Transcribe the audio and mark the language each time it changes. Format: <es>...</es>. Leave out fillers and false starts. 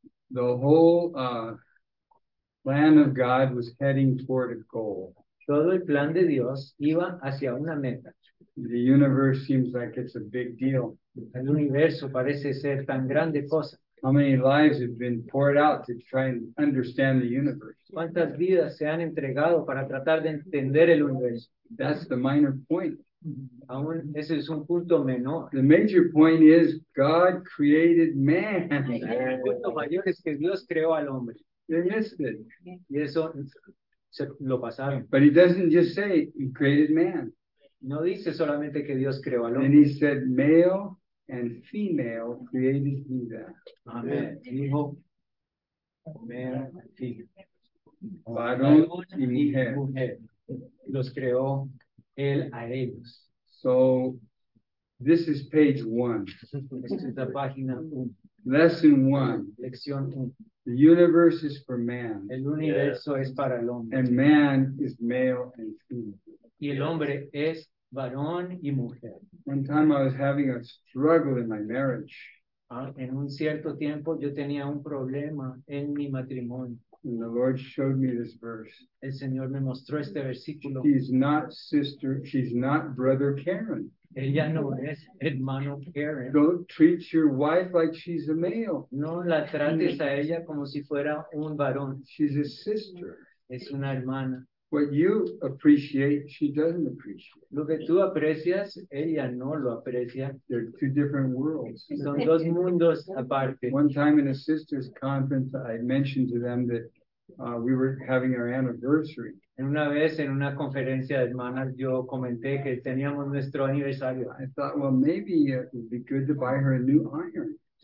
<en>The whole plan of God was heading toward a goal.</en> <es>Todo el plan de Dios iba hacia una meta.</es> <en>The universe seems like it's a big deal.</en> <es>El universo parece ser tan grande cosa.</es> <en>How many lives have been poured out to try and understand the universe?</en> <es>¿Cuántas vidas se han entregado para tratar de entender el universo?</es> <en>That's the minor point.</en> <es>Aún ese es un punto menor.</es> <en>The major point is God created man.</en> <es>El punto mayor es que Dios creó al hombre.</es> <en>They missed it.</en> <es>Y eso se lo pasaron.</es> <en>But he doesn't just say he created man.</en> <es>No dice solamente que Dios creó al hombre.</es> <en>And he said male and female created he that.</en> <es>Amen. Dijo,</es> <en>man and female.</en> <es>Varón y mujer. Los creó él a ellos.</es> <en>So, this is page one.</en> <es>Esta es la página uno.</es> <en>Lesson one.</en> <es>Lección uno.</es> <en>The universe is for man.</en> <es>El universo es para el hombre.</es> <en>And man is male and female.</en> <es>Y el hombre es varón y mujer.</es> <en>One time I was having a struggle in my marriage.</en> <es>En un cierto tiempo yo tenía un problema en mi matrimonio.</es> <en>And the Lord showed me this verse.</en> <es>El Señor me mostró este versículo.</es> <en>She's not sister, she's not brother Karen.</en> <es>Ella no es hermano Karen.</es> <en>Don't treat your wife like she's a male.</en> <es>No la trates a ella como si fuera un varón.</es> <en>She's a sister.</en> <es>Es una hermana.</es> <en>What you appreciate, she doesn't appreciate.</en> <es>Lo que tú aprecias, ella no lo aprecia.</es> <en>They're two different worlds.</en> <es>Son dos mundos aparte.</es> <en>One time in a sister's conference, I mentioned to them that we were having our anniversary.</en> <es>Una vez en una conferencia de hermanas, yo comenté que teníamos nuestro aniversario.</es> <en>I thought, well, maybe it would be good to buy her a new iron.</en>